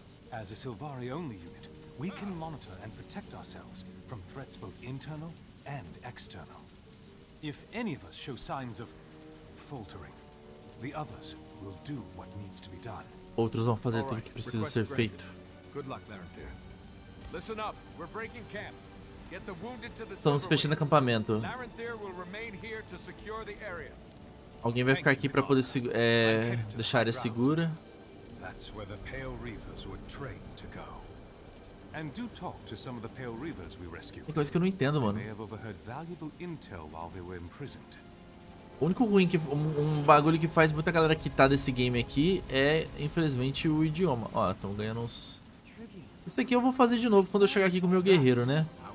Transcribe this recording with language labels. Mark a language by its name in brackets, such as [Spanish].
[English] As a Silvari only unit. We can monitor and protect ourselves from threats both internal and external. If any of us show signs of faltering, the others will do what needs to be done. [Portuguese] Outros vão fazer tudo o que precisa ser feito. [English] Good luck, Larentir. Listen up, we're breaking camp. Get the wounded to the [Portuguese] Estamos fechando acampamento. [English] Larentir will remain here to secure the area. [Portuguese] Alguém vai ficar aqui para poder deixar a área segura. [English] That's where the Pale Reavers were trained to go. And do talk to some of the Pale Reavers we rescued. [Portuguese] Tem coisa que eu não entendo, mano. [English] They have overheard valuable intel while they were imprisoned. [Portuguese] O único ruim que um bagulho que faz muita galera quitar desse game aqui é, infelizmente, o idioma. Ó, estão ganhando uns... Isso aqui eu vou fazer de novo quando eu chegar aqui com o meu guerreiro, né?